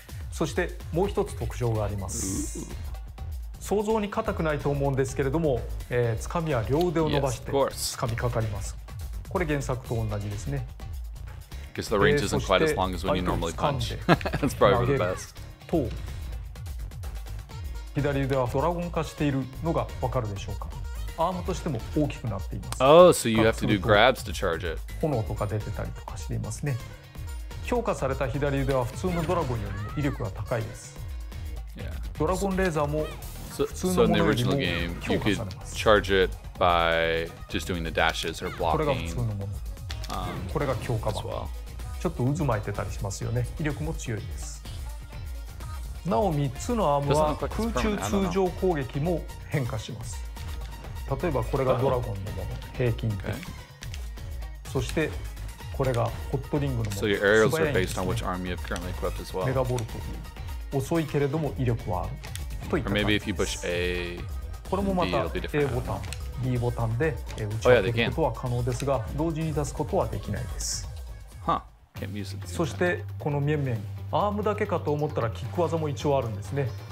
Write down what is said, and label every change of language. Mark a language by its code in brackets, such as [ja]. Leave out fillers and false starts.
[ja] そしてもう一つ特徴があります。想像に硬くないと思うんですけれども、掴みは両腕を伸ばして掴みかかります。これ原作と同じですね。そして相手を掴んで投げると左腕はドラゴン化しているのがわかるでしょうか。アームとしても大きくなっています。 [en] Oh, so you have to do grabs to charge it. [ja] 炎とか出てたりとかしていますね。強化された左腕は普通のドラゴンよりも威力が高いです。 [en] Yeah. [ja] ドラゴンレーザーも普通のものよりも強化されます。 [en] Charge it by just doing the dashes or blocking. [ja] これが普通のもの。これが強化版。 [en] Well. [ja] ちょっと渦巻いてたりしますよね。威力も強いです。なお3つのアームは空中通常攻撃も変化します。例えばこれがドラゴンのもの、平均的。 [en] Okay. [ja] そしてこれがホットリングのもの。 [en] So your aerials are based on which arm you have currently equipped as well. [ja] メガボルト。遅いけれども威力はある。といった感じです。これもまた A ボタン、B ボタンで打ち上げることは可能ですが、同時に出すことはできないです。 [en] Huh. [ja] そしてこの面々、アームだけかと思ったらキック技も一応あるんですね。